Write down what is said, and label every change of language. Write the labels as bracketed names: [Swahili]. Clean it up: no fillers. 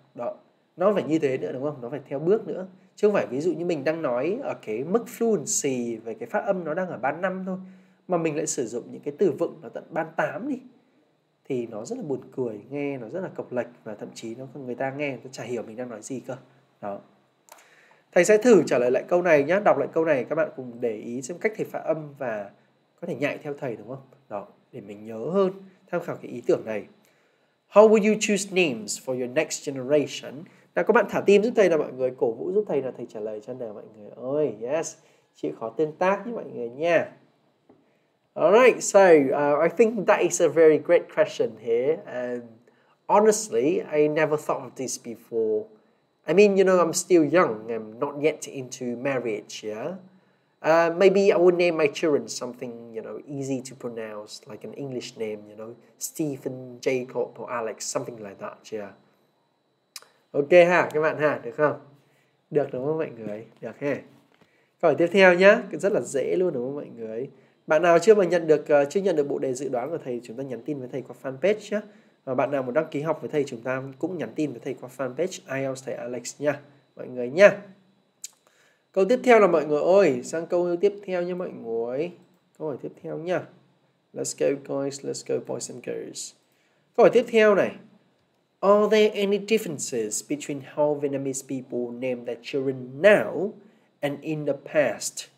[Vietnamese] Đó, nó phải như thế nữa đúng không? Nó phải theo bước nữa. Chứ không phải ví dụ như mình đang nói ở cái mức fluency về cái phát âm nó đang ở ban 5 thôi, mà mình lại sử dụng những cái từ vựng nó tận ban 8 đi, thì nó rất là buồn cười, nghe nó rất là cộc lệch, và thậm chí nó người ta nghe nó chả hiểu mình đang nói gì cơ. Đó. Thầy sẽ thử trả lời lại câu này nhé, đọc lại câu này các bạn cùng để ý xem cách thầy phát âm và có thể nhại theo thầy đúng không? Đó, để mình nhớ hơn, tham khảo cái ý tưởng này. [English] How will you choose names for your next generation? [Vietnamese] Nào các bạn thả tim giúp thầy nào mọi người, cổ vũ giúp thầy nào, thầy trả lời cho nào mọi người ơi. Yes, chịu khó tương tác với mọi người nha. [English] Alright, so I think that is a very great question here. And honestly, I never thought of this before. I mean, you know, I'm still young. I'm not yet into marriage, yeah? Maybe I would name my children something, you know, easy to pronounce, like an English name, you know, Stephen, Jacob, or Alex, something like that, yeah? [Vietnamese] Ok ha, các bạn ha, được không? Được đúng không mọi người? Được ha. Câu hỏi tiếp theo nhá, rất là dễ luôn đúng không mọi người? Bạn nào chưa mà nhận được bộ đề dự đoán của thầy, chúng ta nhắn tin với thầy qua fanpage nhá. Và bạn nào muốn đăng ký học với thầy, chúng ta cũng nhắn tin với thầy qua fanpage IELTS thầy Alex nha, mọi người nha. Câu tiếp theo là mọi người ơi, sang câu tiếp theo nha mọi người. Câu hỏi tiếp theo nha. [English] Let's go guys, let's go boys and girls. [Vietnamese] Câu hỏi tiếp theo này. [English] Are there any differences between how Vietnamese people name their children now and in the past?